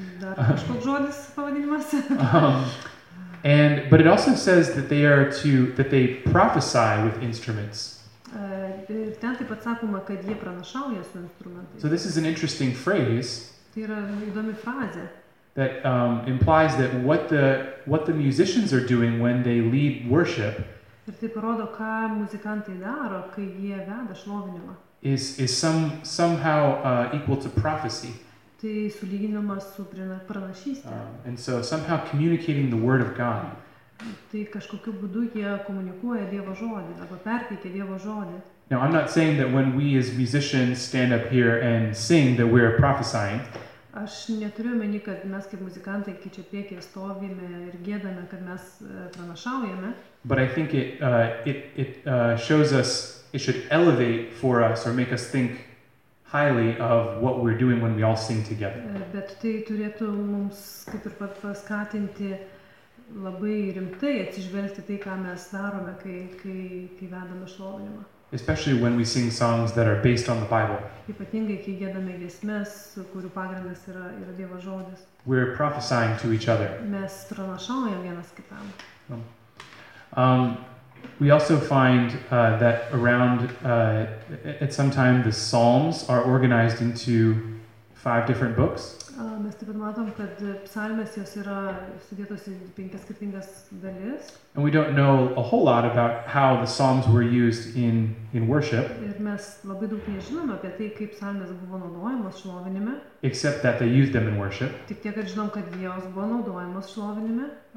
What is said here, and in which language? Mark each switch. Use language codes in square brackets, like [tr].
[lt] Dar kažkoks žodis pavadinimas. [en] But it also says that they prophesy with instruments. [lt] Ten taip pat sakoma, kad jie pranašauja su instrumentais. [en] So this is an interesting phrase. [lt] Tai yra įdomi frazė. [en] That implies that what the musicians are doing when they lead worship. [lt] Ir tai parodo, ką muzikantai daro, kai jie veda šlovinimą. [en] Is somehow equal to prophecy. [lt] Tai sulyginimas su pranašyste. [en] And so somehow communicating the word of God. [lt] Tai kažkokiu būdu jie komunikuoja Dievo žodį, arba perteikia Dievo žodį. [en] Now I'm not saying that when we as musicians stand up here and sing that we're prophesying. [lt] Aš neturiu meni, kad mes kaip muzikantai kai čia priekyje stovime ir giedame, kad mes pranašaujame. [en] But I think it should elevate for us or make us think highly of what we're doing when we all sing together. [lt] Bet tai turėtų mums kaip ir paskatinti labai rimtai atsižvelgti tai, ką mes darome, kai vedame šlovinimą. [en] Especially when we sing songs that are based on the Bible. [lt] Ypatingai kai giedame giesmes, kurių pagrindas yra Dievo žodis. [en] We're prophesying to each other. [lt] Mes pranašaujam vienas kitam. [en] We also find that around at some time the psalms are organized into 5 different books. [lt] Mes taip pat matom, kad psalmės jos yra sudėtos į 5 skirtingas dalis. [en] And we don't know a whole lot about how the psalms were used in worship. [lt] Ir mes labai daug nežinom apie tai, kaip psalmės buvo naudojamos šlovinime. [en] Except that they used them in worship. [lt] Tik tiek, kad žinom, kad jos buvo naudojamos šlovinime.